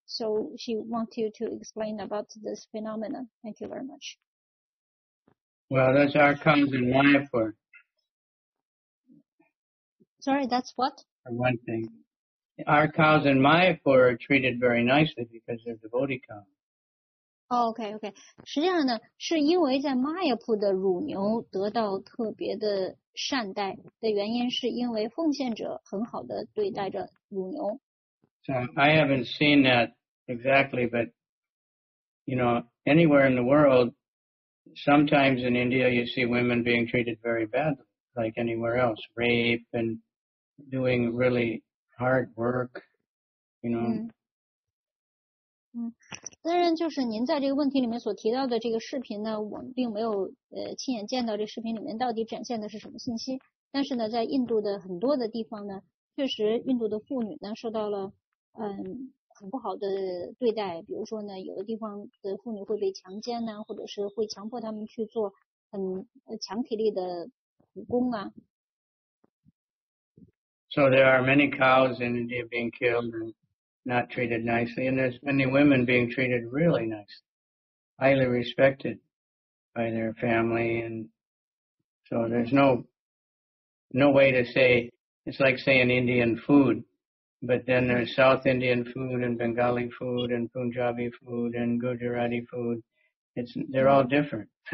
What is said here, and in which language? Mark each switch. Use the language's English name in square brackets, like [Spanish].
[English] So she wants you to explain about this phenomenon. Thank you very much. Well, that's our cows in Mayapur. Sorry, that's what? For one thing. Our cows in Mayapur are treated very nicely because they're devotee cows. Okay. [Chinese] 实际上呢，是因为在 Mayapur 的乳牛得到特别的善待的原因，是因为奉献者很好的对待着乳牛。 [English] So I haven't seen that exactly, but, you know, anywhere in the world, sometimes in India you see women being treated very badly, like anywhere else, rape and doing really hard work, you know. Mm-hmm. [Chinese] 嗯，当然就是您在这个问题里面所提到的这个视频呢，我们并没有亲眼见到这视频里面到底展现的是什么信息。但是呢，在印度的很多的地方呢，确实印度的妇女呢受到了很不好的对待。比如说呢，有的地方的妇女会被强奸呢，或者是会强迫他们去做很强体力的苦工啊。 [English] So there are many cows in India being killed. Not treated nicely, and there's many women being treated really nicely, highly respected by their family, and so there's no way to say, it's like saying Indian food, but then there's South Indian food, and Bengali food, and Punjabi food, and Gujarati food, they're all different.